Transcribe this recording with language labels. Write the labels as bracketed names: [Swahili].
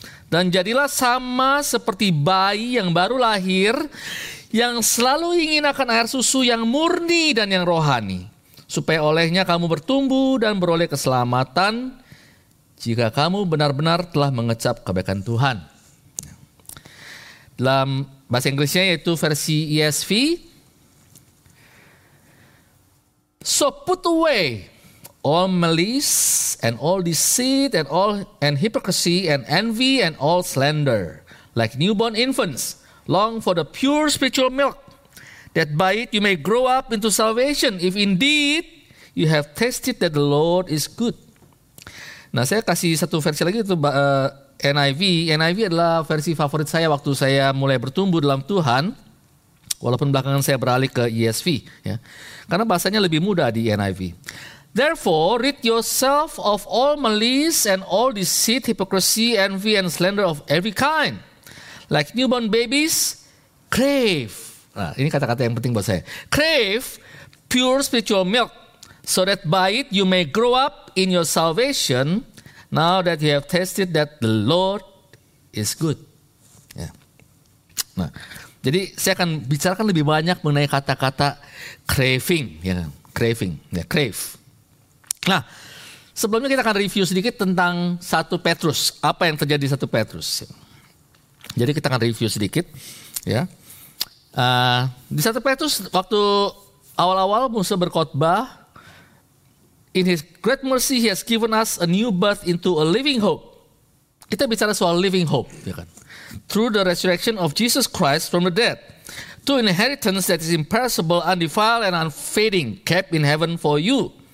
[Indonesian] Dan jadilah sama seperti bayi yang baru lahir yang selalu ingin akan air susu yang murni dan yang rohani, supaya olehnya kamu bertumbuh dan beroleh keselamatan jika kamu benar-benar telah mengecap kebaikan Tuhan. Dalam bahasa Inggrisnya yaitu versi ESV. [English] So put away all malice and all deceit and all and hypocrisy and envy and all slander, like newborn infants, long for the pure spiritual milk, that by it you may grow up into salvation, if indeed you have tasted that the Lord is good. [Indonesian] Nah, saya kasih satu versi lagi, itu NIV. NIV adalah versi favorit saya waktu saya mulai bertumbuh dalam Tuhan, walaupun belakangan saya beralih ke ESV. Ya. Karena bahasanya lebih mudah di NIV. [English] Therefore, rid yourself of all malice and all deceit, hypocrisy, envy, and slander of every kind. Like newborn babies, crave. [Indonesian] Nah, ini kata-kata yang penting buat saya. [English] Crave pure spiritual milk, so that by it you may grow up in your salvation, now that you have tasted that the Lord is good. [Indonesian] Ya. Nah, jadi saya akan bicarakan lebih banyak mengenai kata-kata craving, ya, craving, ya, crave. Nah, sebelumnya kita akan review sedikit tentang 1 Petrus. Apa yang terjadi 1 Petrus? Jadi kita akan review sedikit, ya. Di 1 Petrus waktu awal-awal Musa berkhotbah, [English] in his great mercy he has given us a new birth into a living hope. [Indonesian] Kita bicara soal [English] living hope, [Indonesian] ya kan? [English] Through the resurrection of Jesus Christ from the dead, to inheritance that is imperishable, undefiled and unfading, kept in heaven for you.